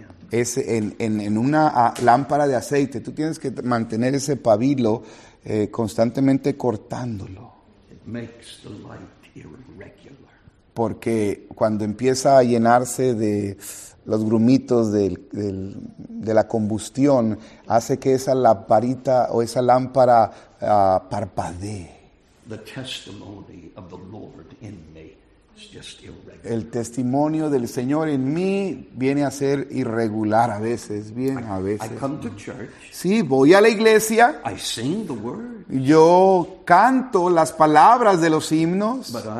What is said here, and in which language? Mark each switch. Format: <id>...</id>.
<es>En una lámpara de aceite, tú tienes que mantener ese pabilo constantemente cortándolo.</es> <en>It makes the light irregular.</en> <es>Porque cuando empieza a llenarse de los grumitos de la combustión, hace que esa lamparita o esa lámpara parpadee.</es> <en>The testimony of the Lord in me.</en> <es>El testimonio del Señor en mí viene a ser irregular a veces, bien a veces. Sí, voy a la iglesia. Yo canto las palabras de los himnos.</es>